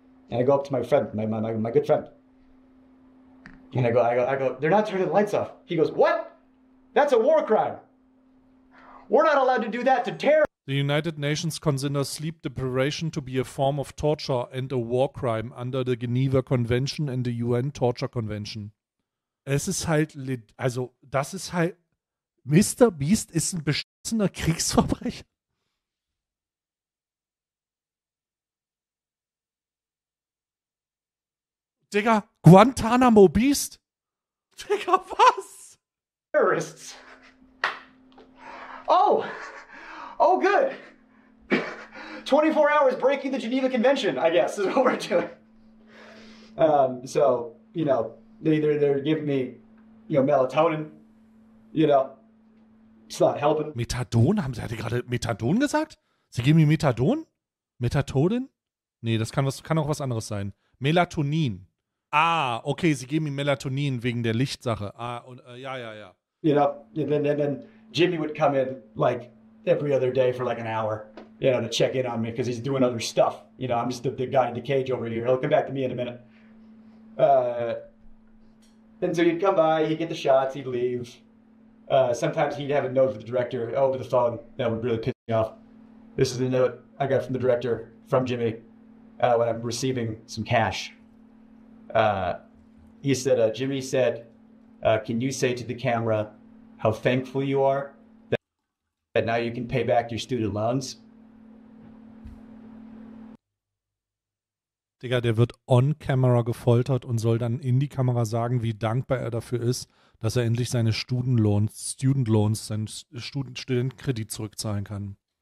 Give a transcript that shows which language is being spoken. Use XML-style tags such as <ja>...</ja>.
<en>And I go up to my friend, my good friend. And I go, they're not turning the lights off. He goes, what? That's a war crime. We're not allowed to do that to terror. The United Nations considers sleep deprivation to be a form of torture and a war crime under the Geneva Convention and the UN Torture Convention.</en> <de>Es ist halt, also das ist halt, Mr. Beast ist ein beschissener Kriegsverbrecher. Digga, Guantanamo Beast? Digga, was?</de> <en>Terrorists. Oh. Oh, good. 24 hours breaking the Geneva Convention, I guess, is what we're doing. So, you know, they're giving me, you know, melatonin. You know, it's not helping.</en> <de>Methadon? Haben Sie gerade Methadon gesagt? Sie geben mir Methadon? Methadonin? Nee, das kann auch was anderes sein. Melatonin. Ah, okay, sie geben ihm Melatonin wegen der Lichtsache. Ah, und, ja.</de> <en>You know, and then Jimmy would come in, like, every other day for, like, an hour, you know, to check in on me, because he's doing other stuff. You know, I'm just the guy in the cage over here. He'll come back to me in a minute. And so he'd come by, he'd get the shots, he'd leave. Sometimes he'd have a note for the director over the phone that would really piss me off. This is the note I got from the director, from Jimmy, when I'm receiving some cash. Jimmy said, can you say to the camera how thankful you are that now you can pay back your student loans?</en> <de>Digga, der wird</de> <en>on camera</en> <de>gefoltert und soll dann in die Kamera sagen, wie dankbar er dafür ist, dass er endlich seine Student Loans, seinen Studentkredit zurückzahlen kann.</de>